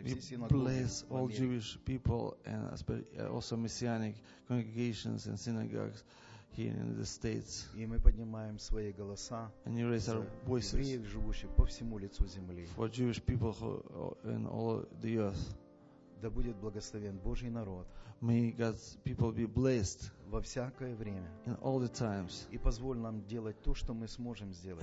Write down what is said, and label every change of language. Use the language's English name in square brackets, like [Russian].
[English] we [Russian] все синагоги. [English] Bless all Jewish people and also messianic congregations and synagogues here in the States. [Russian] И мы поднимаем свои голоса. [English] And you raise our voices. [Russian] Евреев, живущих по всему лицу земли. [English] For Jewish people who in all the earth. [Russian] Да будет благословен Божий народ. [English] May God's people be blessed [Russian] во всякое время. [English] In all the times. [Russian] И позволь нам делать то, что мы сможем сделать.